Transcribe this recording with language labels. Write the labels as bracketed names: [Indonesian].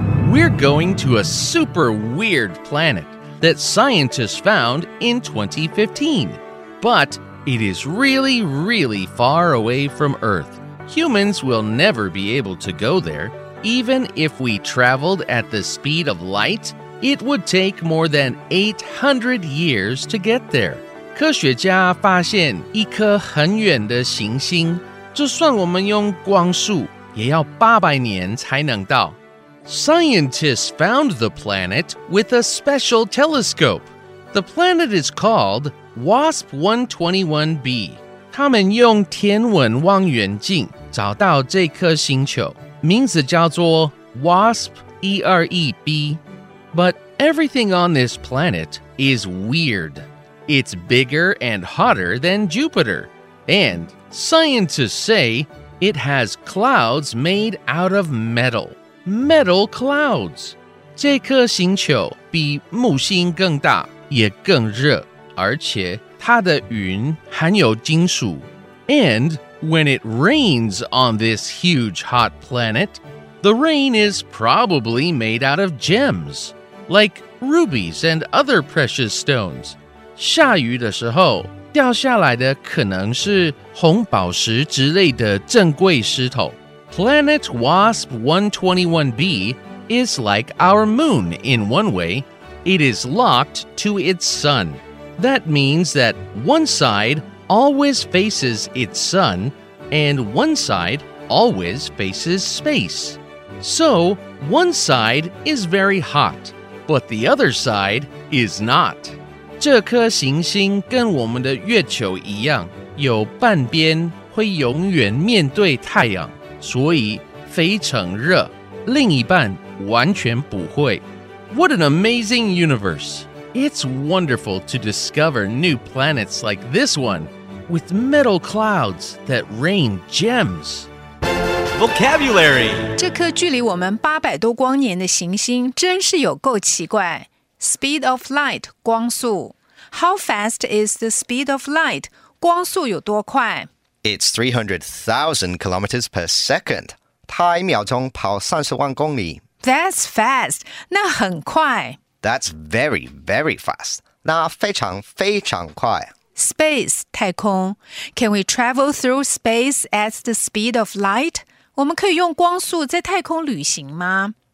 [English] We're going to a super weird planet that scientists found in 2015. But it is really, really far away from Earth. Humans will never be able to go there. Even if we traveled at the speed of light, it would take more than 800 years to get there. [Chinese] 科学家发现一颗很远的行星，就算我们用光速，也要800年才能到。 [English] Scientists found the planet with a special telescope. The planet is called WASP-121b. [Chinese] 他们用天文望远镜找到这颗星球，名字叫做 WASP-121b. [English] But everything on this planet is weird. It's bigger and hotter than Jupiter. And scientists say it has clouds made out of metal. Metal clouds. [Chinese] 这颗星球比木星更大，也更热，而且它的云含有金属。 [English] And when it rains on this huge hot planet, the rain is probably made out of gems, like rubies and other precious stones. [Chinese] 下雨的时候，掉下来的可能是红宝石之类的珍贵石头。 [English] Planet WASP-121b is like our moon in one way. It is locked to its sun. That means that one side always faces its sun, and one side always faces space. So, one side is very hot, but the other side is not. [Chinese] 这颗行星跟我们的月球一样，有半边会永远面对太阳。所以非常热，另一半完全不会。 [English] What an amazing universe! It's wonderful to discover new planets like this one, with metal clouds that rain gems. Vocabulary. [Chinese] 这颗距离我们八百多光年的行星真是有够奇怪。 [English] Speed of light, 光速。How fast is the speed of light? [Chinese] 光速有多快？ [English] It's 300,000 kilometers per second. [Chinese] 它一秒钟跑30万公里。 [English] That's fast. [Chinese] 那很快。 [English] That's very, very fast. [Chinese] 那非常非常快。 [English] Space, 太空。 Can we travel through space at the speed of light? [Chinese] 我们可以用光速在太空旅行吗？